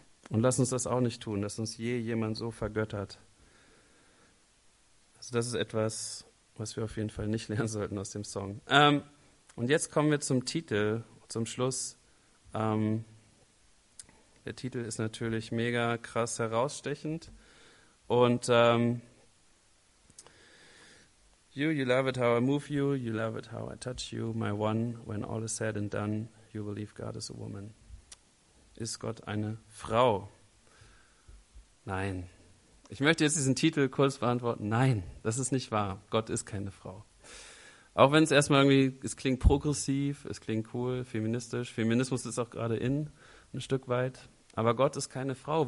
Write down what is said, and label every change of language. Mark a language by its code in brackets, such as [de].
[de] Und lass uns das auch nicht tun, dass uns je jemand so vergöttert. Also das ist etwas, was wir auf jeden Fall nicht lernen sollten aus dem Song. Und jetzt kommen wir zum Titel, zum Schluss. Der Titel ist natürlich mega krass herausstechend. [en] Und you love it how I move you, you love it how I touch you, my one, when all is said and done, you believe God is a woman. [de] Ist Gott eine Frau? Nein. Ich möchte jetzt diesen Titel kurz beantworten. Nein, das ist nicht wahr. Gott ist keine Frau. Auch wenn es erstmal irgendwie, es klingt progressiv, es klingt cool, feministisch. Feminismus ist auch gerade in, ein Stück weit. Aber Gott ist keine Frau.